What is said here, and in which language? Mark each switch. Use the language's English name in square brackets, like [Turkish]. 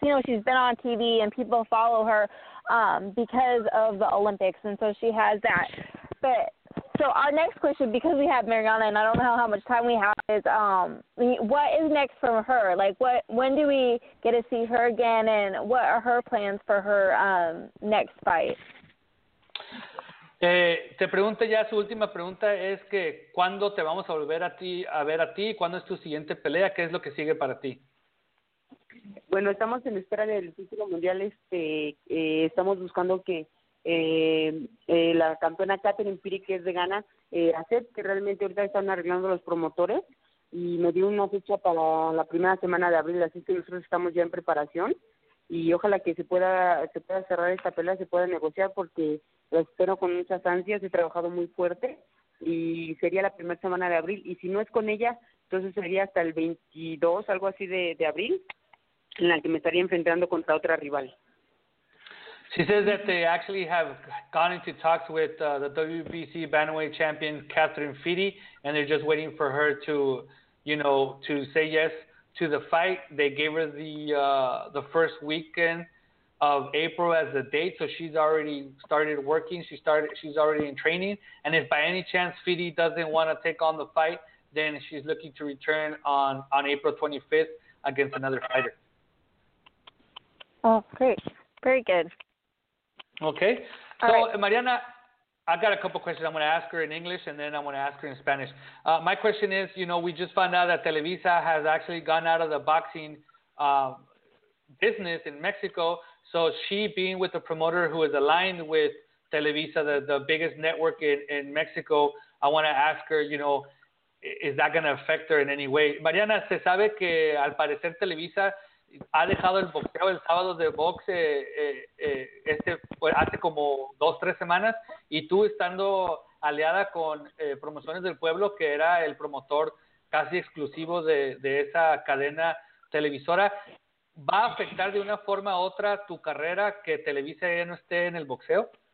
[English] You know, she's been on TV and people follow her because of the Olympics, and so she has that. But so our next question, because we have Mariana and I don't know how much time we have, is what is next for her? Like, when do we get to see her again, and what are her plans for her next fight? [Spanish] Te pregunto ya, su última pregunta es que ¿cuándo te vamos a volver a ver a ti? ¿Cuándo es tu siguiente pelea? ¿Qué es lo que sigue para ti? Bueno, estamos en espera del título mundial. Estamos buscando que la campeona Catherine Piri, que es de Ghana, acepte. Realmente ahorita están arreglando los promotores y me dio una fecha para la primera semana de abril, así que nosotros estamos ya en preparación. Y ojalá que se pueda cerrar esta pelea, se pueda negociar, porque la espero con muchas ansias, he trabajado muy fuerte, y sería la primera semana de abril, y si no es con ella, entonces sería hasta el 22, algo así de abril, en la que me estaría enfrentando contra otra rival. [English] She says that they actually have gone into talks with the WBC Bantamweight champion Catherine Fitty, and they're just waiting for her to, you know, to say yes to the fight. They gave her the first weekend of April as a date, so she's already started working. She's already in training. And if by any chance Fitty doesn't want to take on the fight, then she's looking to return on April 25th against another fighter. Oh, great. Very good. Okay. All right. So, Mariana, I got a couple questions. I'm going to ask her in English, and then I'm going to ask her in Spanish. My question is, you know, we just found out that Televisa has actually gone out of the boxing business in Mexico. So she, being with a promoter who is aligned with Televisa, the biggest network in Mexico, I want to ask her, you know, is that going to affect her in any way? [Spanish] Mariana, se sabe que al parecer Televisa ha dejado el boxeo el sábado de box hace como 2-3 semanas, y tú estando aliada con Promociones del Pueblo, que era el promotor casi exclusivo de esa cadena televisora, ¿va a afectar de una forma u otra tu carrera que Televisa ya no esté en el boxeo?